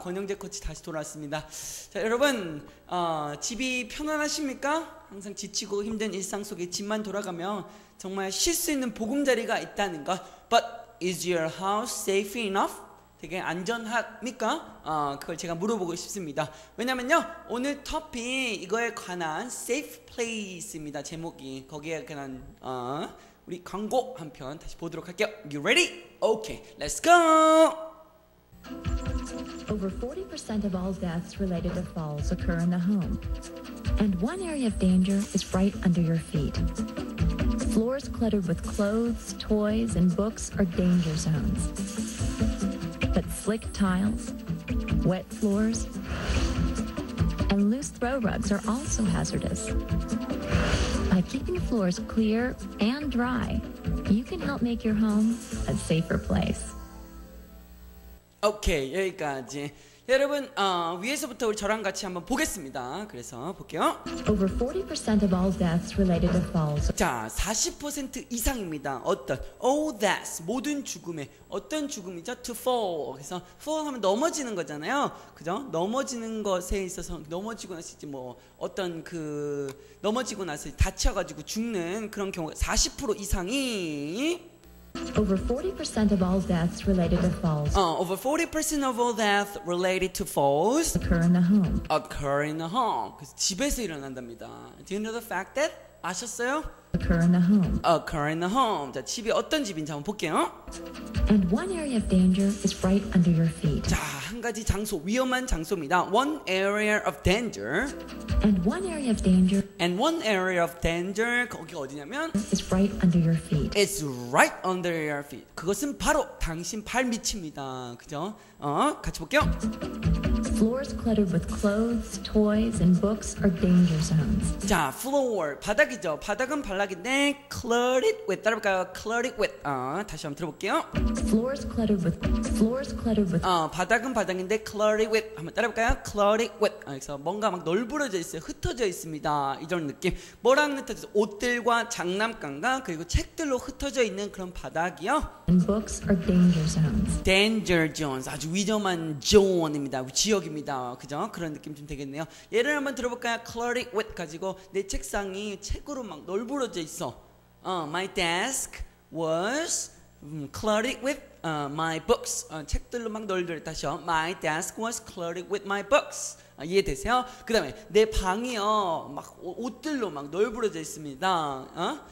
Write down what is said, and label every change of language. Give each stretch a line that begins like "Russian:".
Korean: 권영재 코치 다시 돌아왔습니다. 자, 여러분, 집이 편안하십니까? 항상 지치고 힘든 일상 속에 집만 돌아가면 정말 쉴 수 있는 보금자리가 있다는 것.
English: But is your house safe enough?
Korean: 되게 안전합니까? 그걸 제가 물어보고 싶습니다. 왜냐면요, 오늘 토픽 이거에 관한 safe place입니다. 제목이. 거기에 관한, 우리 광고 한 편 다시 보도록 할게요.
English: You ready? Okay, let's go! Over 40% of all deaths related to falls occur in the home. And one area of danger is right under your feet. Floors cluttered with clothes, toys, and books are danger zones. But slick tiles, wet floors, and loose throw rugs are also hazardous. By keeping floors clear and dry, you can help make your home a safer place.
Korean: Okay, 여기까지. 여러분, 위에서부터 우리 저랑 같이 한번 보겠습니다. 그래서 볼게요.
English: Over 40% of all deaths related to falls.
Korean: 자, 40% 이상입니다. 어떤?
English: All deaths,
Korean: 모든 죽음에. 어떤 죽음이죠?
English: To fall.
Korean: 그래서 fall 하면 넘어지는 거잖아요. 그죠? 넘어지는 것에 있어서 넘어지고 나서 이제 뭐 어떤 그 넘어지고 나서 다쳐가지고 죽는 그런 경우가 40% 이상이
English: Over 40% of all deaths related to falls. Over 40% of all deaths related to falls occur in the home. Occur in the home.
Korean: 그래서 집에서 일어난답니다.
English: Do you know the fact that?
Korean: 아셨어요?
English: Occur in the home. Occur in the home.
Korean: 자, 집이 어떤 집인지 한번 볼게요.
English: And one area of danger is right under your feet.
Korean: 자, 한 가지 장소, 위험한 장소입니다.
English: One area of danger. And one area of danger. And one area of danger.
Korean: 거기 어디냐면
English: is right under your feet. It's right under your feet.
Korean: 그것은 바로 당신 발 밑입니다. 그죠? 같이 볼게요.
English: Floors cluttered with clothes, toys, and books are danger zones.
Korean: 자, floor 바닥이죠. 바닥은 발락인데
English: cluttered with
Korean: 따라볼까요?
English: Cluttered with
Korean: 다시 한번 들어볼게요.
English: Floors cluttered with floors cluttered with
Korean: 바닥은 바닥인데
English: cluttered with
Korean: 한번 따라볼까요?
English: Cluttered with
Korean: 그래서 뭔가 막 널브러져 있어요. 흩어져 있습니다. 이런 느낌. 뭐랑 흩어져 있어요? 옷들과 장난감과 그리고 책들로 흩어져 있는 그런 바닥이요.
English: And books are danger zones. Danger zones
Korean: 아주 위험한 존입니다. 지역입니다. 그죠? 그런 느낌 좀 되겠네요. 예를 한번 들어볼까요?
English: Cluttered with
Korean: 가지고 내 책상이 책으로 막 널브러져 있어.
English: My desk was cluttered with my books.
Korean: 책들로 막 널브러져 다시요.
English: My desk was cluttered with my books.
Korean: 이해되세요? 그 다음에 내 방이요. 막 옷들로 막 널브러져 있습니다.